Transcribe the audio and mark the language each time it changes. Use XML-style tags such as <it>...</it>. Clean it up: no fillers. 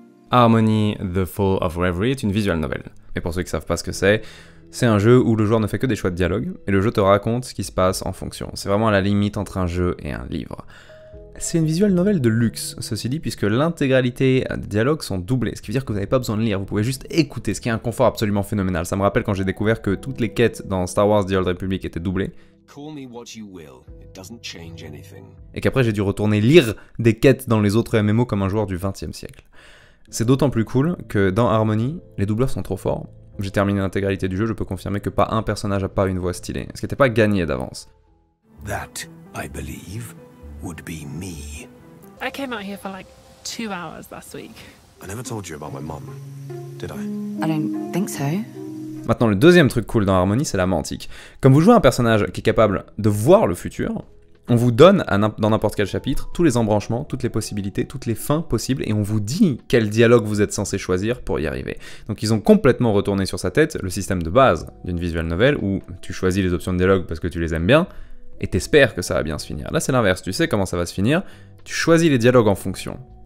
<fr>Harmony, The Fall of Reverie est une visual novel. Mais pour ceux qui savent pas ce que c'est un jeu où le joueur ne fait que des choix de dialogue, et le jeu te raconte ce qui se passe en fonction. C'est vraiment à la limite entre un jeu et un livre. C'est une visual novel de luxe, ceci dit, puisque l'intégralité des dialogues sont doublés, ce qui veut dire que vous n'avez pas besoin de lire, vous pouvez juste écouter, ce qui est un confort absolument phénoménal. Ça me rappelle quand j'ai découvert que toutes les quêtes dans Star Wars The Old Republic étaient doublées.</fr> <en>Call me what you will, it doesn't change anything.</en> <fr>Et qu'après j'ai dû retourner lire des quêtes dans les autres MMO comme un joueur du 20e siècle. C'est d'autant plus cool que dans Harmony, les doubleurs sont trop forts. J'ai terminé l'intégralité du jeu, je peux confirmer que pas un personnage a pas une voix stylée, ce qui n'était pas gagné d'avance.</fr> <en>That, I believe, would be me. I came out here for like 2 hours last week. I never told you about my mom, did I? I don't think so.</en> <fr>Maintenant, le deuxième truc cool dans Harmony, c'est la mantique. Comme vous jouez un personnage qui est capable de voir le futur, on vous donne, dans n'importe quel chapitre, tous les embranchements, toutes les possibilités, toutes les fins possibles, et on vous dit quel dialogue vous êtes censé choisir pour y arriver. Donc ils ont complètement retourné sur sa tête le système de base d'une visual novel, où tu choisis les options de dialogue parce que tu les aimes bien, et t'espères que ça va bien se finir. Là, c'est l'inverse, tu sais comment ça va se finir, tu choisis les dialogues en fonction.</fr>